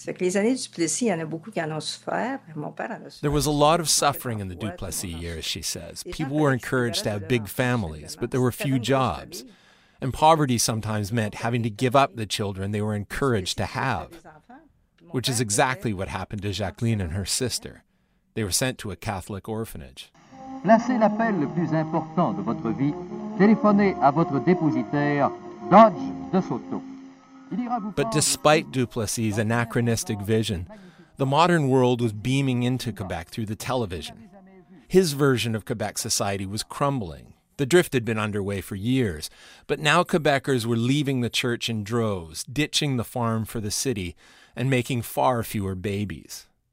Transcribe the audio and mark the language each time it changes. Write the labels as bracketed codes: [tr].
[en] There was a lot of suffering in the Duplessis years, she says. People were encouraged to have big families, but there were few jobs. And poverty sometimes meant having to give up the children they were encouraged to have, which is exactly what happened to Jacqueline and her sister. They were sent to a Catholic orphanage. [fr] Placez l'appel le plus important de votre vie. Téléphonez à votre dépositaire, Dodge de Soto. [en] But despite Duplessis' anachronistic vision, the modern world was beaming into Quebec through the television. His version of Quebec society was crumbling. The drift had been underway for years, but now Quebecers were leaving the church in droves, ditching the farm for the city, and making far fewer babies.